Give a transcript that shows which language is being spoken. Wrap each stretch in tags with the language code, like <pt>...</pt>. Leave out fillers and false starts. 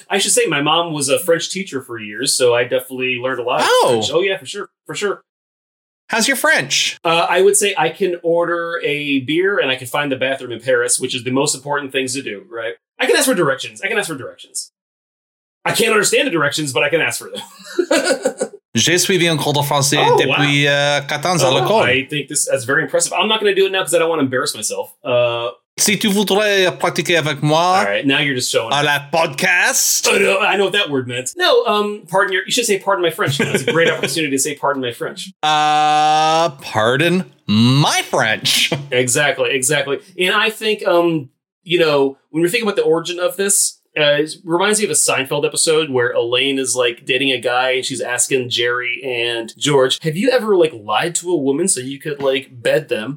<en>I should say my mom was a French teacher for years, so I definitely learned a lot. Oh, oh yeah, for sure. For sure. How's your French? I would say I can order a beer and I can find the bathroom in Paris, which is the most important things to do, right? I can ask for directions. I can ask for directions. I can't understand the directions, but I can ask for them.</en> <fr>J'ai suivi un cours de français depuis 14 ans à l'école.</fr> <en>I think that's very impressive. I'm not going to do it now because I don't want to embarrass myself.</en> <fr>Si tu voudrais pratiquer avec moi.</fr> <en>All right, now you're just showing</en> <fr>à la podcast.</fr> <en>Oh, no, I know what that word meant. No, you should say pardon my French. It's a great opportunity to say pardon my French. Pardon my French. Exactly, exactly. And I think, you know, when you're thinking about the origin of this, it reminds me of a Seinfeld episode where Elaine is like dating a guy and she's asking Jerry and George, have you ever like lied to a woman so you could like bed them?</en>